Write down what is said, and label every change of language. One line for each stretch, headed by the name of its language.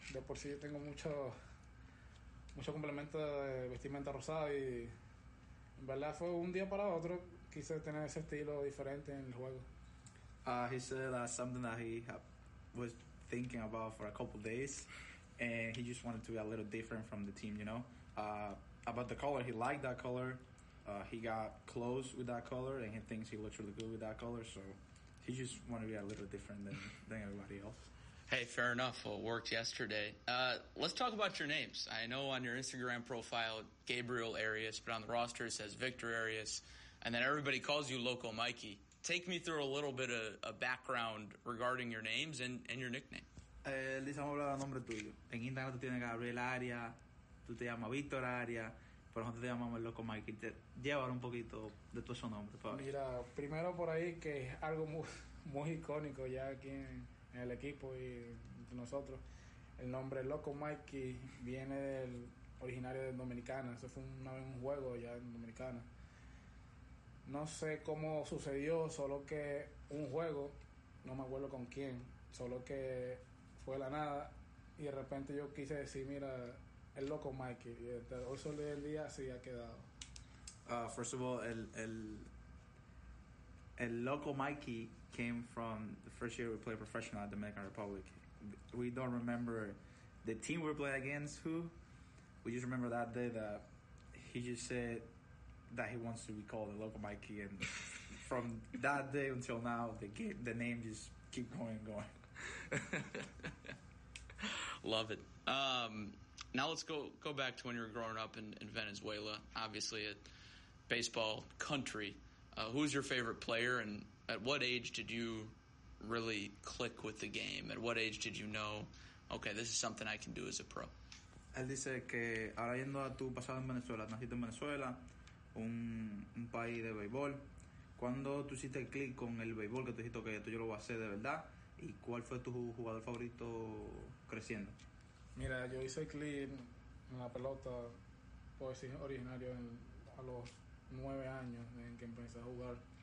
Spanish: De por sí yo tengo mucho complemento de vestimenta rosada y en verdad fue un día para otro. Quise tener ese estilo diferente en el juego.
English: He said that's something that he was thinking about for a couple of days and he just wanted to be a little different from the team, you know. About the color, he liked that color. He got close with that color, and he thinks he looks really good with that color. So he just wanted to be a little different than everybody else. Hey, fair enough. Well, it worked yesterday. Let's talk about your names. I know on your Instagram profile, Gabriel Arias, but on the roster it says Victor Arias. And then everybody calls you Loco Mikey. Take me through a little bit of a background regarding your names and your nickname.
Spanish: Lisa, vamos a hablar del nombre tuyo. En Instagram tú tienes Gabriel Arias, tú te llamas Víctor Arias, pero nosotros te llamamos el Loco Mike. Y te llevar un poquito de todos esos nombres. Mira, primero por ahí, que es algo muy, muy icónico ya aquí en el equipo y nosotros. El nombre Loco Mike viene del originario de Dominicana. Eso fue una vez un juego ya en Dominicana. No sé cómo sucedió, solo que un juego, no me acuerdo con quién, solo que fue la nada y de repente yo quise decir, mira, el Loco Mikey, hoy solo el día así ha quedado.
English: First of all, el Loco Mikey came from the first year we played professional at the Dominican Republic. We don't remember the team we played against who. We just remember that day that he just said that he wants to be called the Loco Mikey, and from that day until now, the name just keep going and going. Love it. Now let's go back to when you were growing up in Venezuela, obviously a baseball country. Who's your favorite player, and at what age did you really click with the game? At what age did you know, okay, this is something I can do as a pro?
Spanish: Él dice que ahora yendo a tu pasado en Venezuela, naciste en Venezuela, un país de béisbol. ¿Cuándo tú hiciste el click con el béisbol, que tú dijiste que esto yo lo voy a hacer de verdad? ¿Y cuál fue tu jugador favorito creciendo? Mira, yo hice clean en la pelota, puedo decir, originario a los 9 años en que empecé a jugar.